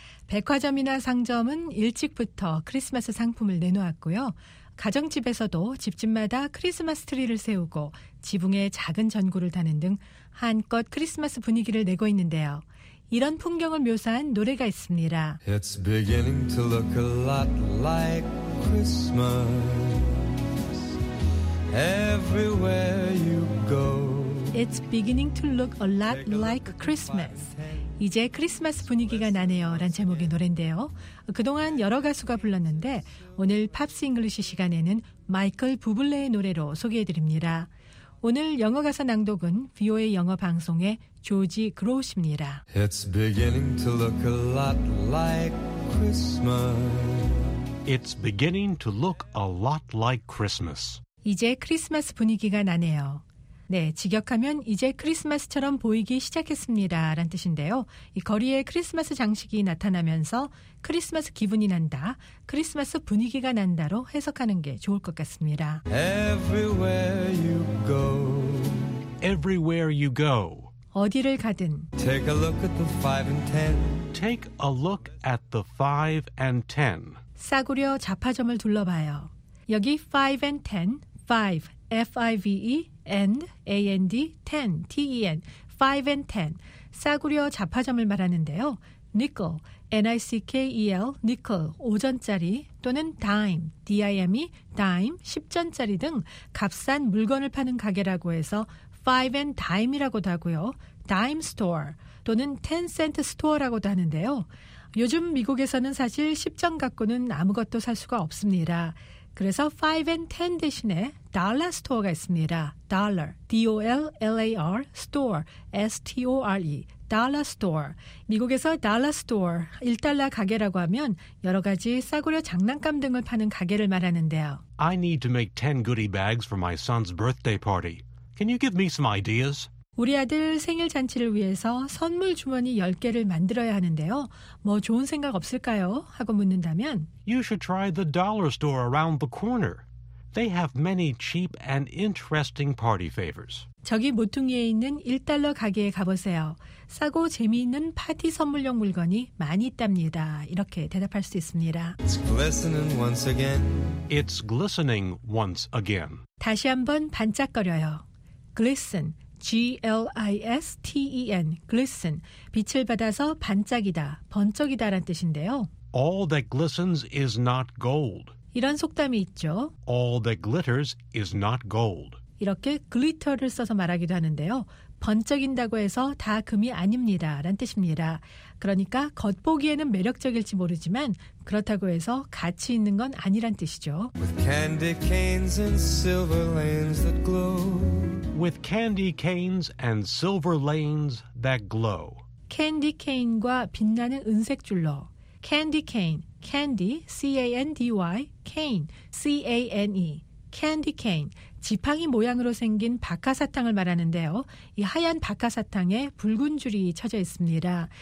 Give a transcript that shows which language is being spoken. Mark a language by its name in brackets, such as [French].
[Korean] 백화점이나 상점은 일찍부터 크리스마스 상품을 내놓았고요. 가정집에서도 집집마다 크리스마스 트리를 세우고 지붕에 작은 전구를 다는 등 한껏 크리스마스 분위기를 내고 있는데요. 이런 풍경을 묘사한 노래가 있습니다. [English] It's beginning to look a lot like Christmas everywhere you go. It's beginning to look a lot like Christmas. [Korean] 이제 크리스마스 분위기가 나네요 라는 제목의 노래인데요. 그동안 여러 가수가 불렀는데 오늘 팝스 잉글리시 시간에는 마이클 부블레의 노래로 소개해드립니다. 오늘 영어 가사 낭독은 VOA 영어 방송의 조지 그로우입니다. [English] It's beginning to look a lot like Christmas. It's beginning to look a lot like Christmas. [Korean] 이제 크리스마스 분위기가 나네요. 네, 직역하면 이제 크리스마스처럼 보이기 시작했습니다 라는 뜻인데요. 이 거리에 크리스마스 장식이 나타나면서 크리스마스 기분이 난다, 크리스마스 분위기가 난다로 해석하는 게 좋을 것 같습니다. [English] Everywhere you go. Everywhere you go. [Korean] 어디를 가든 [English] Take a look at the 5 and 10. Take a look at the 5 and 10. [Korean] 싸구려 잡화점을 둘러봐요. [English] 여기 5 and 10, 5, F-I-V-E, and, A-N-D, 10, T-E-N, 5 and 10. [Korean] 싸구려 잡화점을 말하는데요. Nickel, N-I-C-K-E-L, nickel, 5전짜리 또는 dime, D-I-M-E, dime, 10전짜리 등 값싼 물건을 파는 가게라고 해서 5 and dime이라고도 하고요. dime store 또는 10cent store라고도 하는데요. 요즘 미국에서는 사실 10전 갖고는 아무것도 살 수가 없습니다. 그래서 5 and 10 대신에 dollar store가 있습니다. [English] dollar, D-O-L-L-A-R, store, S-T-O-R-E, dollar store. [Korean] 미국에서 dollar store, 1달러 가게라고 하면 여러 가지 싸구려 장난감 등을 파는 가게를 말하는데요. [English] I need to make 10 goodie bags for my son's birthday party. Can you give me some ideas? [Korean] 우리 아들 생일 잔치를 위해서 선물 주머니 10개를 만들어야 하는데요. 뭐 좋은 생각 없을까요? 하고 묻는다면 [English] You should try the dollar store around the corner. They have many cheap and interesting party favors. [Korean] 저기 모퉁이에 있는 1달러 가게에 가보세요. 싸고 재미있는 파티 선물용 물건이 많이 있답니다. 이렇게 대답할 수 있습니다. [English] It's glistening once again. It's glistening once again. [Korean] 다시 한번 반짝거려요. Glisten. G-L-I-S-T-E-N, glisten, 빛을 받아서 반짝이다, 번쩍이다란 뜻인데요. [English] All that glistens is not gold. [Korean] 이런 속담이 있죠. [English] All that glitters is not gold. [Korean] 이렇게 glitter를 써서 말하기도 하는데요. 번쩍인다고 해서 다 금이 아닙니다란 뜻입니다. 그러니까 겉보기에는 매력적일지 모르지만 그렇다고 해서 가치 있는 건 아니란 뜻이죠. [English] With candy canes and silver lanes that glow. With candy canes and silver lanes that glow. [Korean] 캔디 케인과 빛나는 은색 줄로. 캔디 케인, candy, C-A-N-D-Y, cane, C-A-N-E. 캔디 케인, 지팡이 모양으로 생긴 박하사탕을 말하는데요. 이 하얀 박하사탕에 붉은 줄이 쳐져 있습니다.